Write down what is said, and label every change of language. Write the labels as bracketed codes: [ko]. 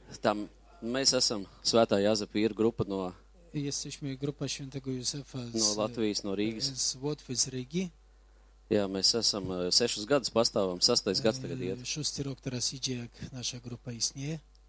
[lv] Tam mēs esam svētā Jāzepa ir grupa no [pl] Jesteśmy grupa Świętego Józefa [lv] no Latvijas, no Rīgas. [pl] Z Łotwy, z Rīgi. [lv] Jā, mēs esam 6 gadus pastāvam, 6. Gads tagad iet. 6. [pl] rok teraz idzie, jak naša grupa istnieje.